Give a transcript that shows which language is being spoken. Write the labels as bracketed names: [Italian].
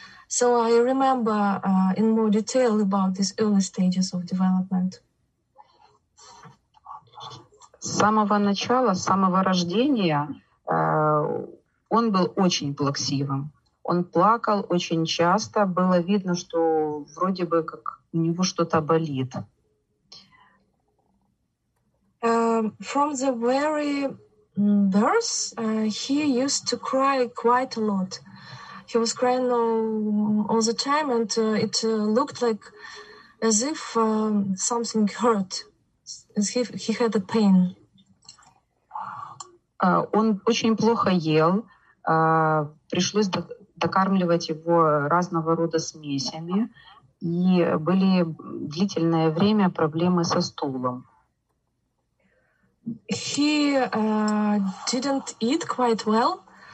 [English] So I remember in more detail about these early stages of development. [Russian] С самого начала, с самого рождения, он был очень плаксивым. Он плакал очень часто. Было видно, что вроде бы как у него что-то болит. [English] From the very birth, he used to cry quite a lot. He was crying all the time, and it looked like as if something hurt, as if he had a pain. [Russian] Он очень плохо ел. Пришлось докармливать его разного рода смесями, и были длительное время проблемы со стулом. [English] He didn't eat quite well.